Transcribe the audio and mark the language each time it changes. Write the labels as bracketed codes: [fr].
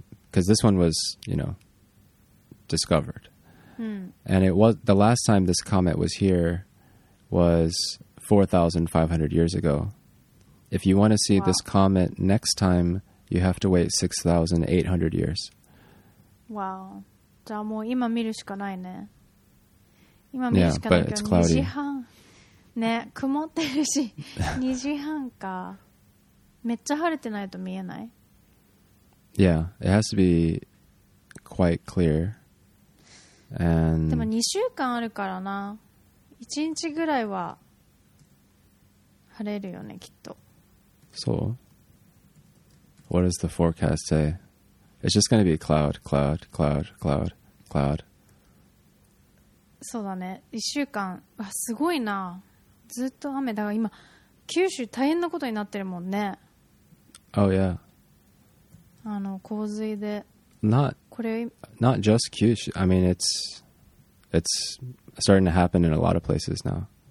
[en] Because this one was, you know, discovered. Hmm. And it was the last time this comet was here was 4,500 years ago. If you want to see this comet next time, you have to wait 6,800 years. Wow. [ja] じゃあもう今見るしかないね。 [en] Yeah, but it's cloudy. [ja] 2時半。ね、曇ってるし、2時半か。めっちゃ晴れてないと見えない。 [en] Yeah, it has to be quite clear. And [ja] でも2週間あるからな。 1日ぐらいは晴れるよね、きっと。 [en] So, what does the forecast say? It's just going to be cloud, cloud, cloud, cloud, cloud. [ja] そうだね。1週間。あ、すごいな。ずっと雨だから今、九州大変なことになってるもんね。 [en] Oh, yeah. [ja] あの、洪水で。 [en] Not just Kyushu. I mean, it's starting to happen in a lot of places now.